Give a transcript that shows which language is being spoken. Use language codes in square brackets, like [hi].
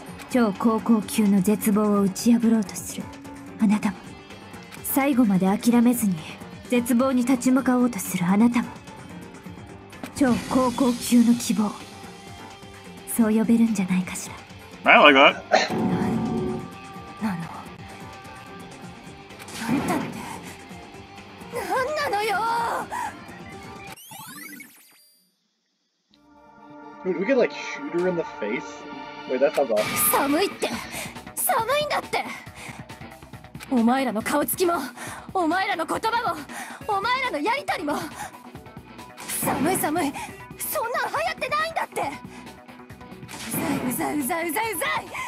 [ja] 超高校級の絶望を打ち破ろうとするあなたも、最後まで諦めずに絶望に立ち向かおうとするあなたも、超高校級の希望、そう呼べるんじゃないかしら。 [en] I like that. [ja] なの、あんたってなんなのよ。 [en] Dude, we could like shoot her in the face. Wait, that sounds awesome. [ja] 寒いって、寒いんだって。お前らの顔つきも、お前らの言葉も、お前らのやりとりも、寒い寒い、そんなの流行ってないんだって。うざいうざいうざいうざいうざい。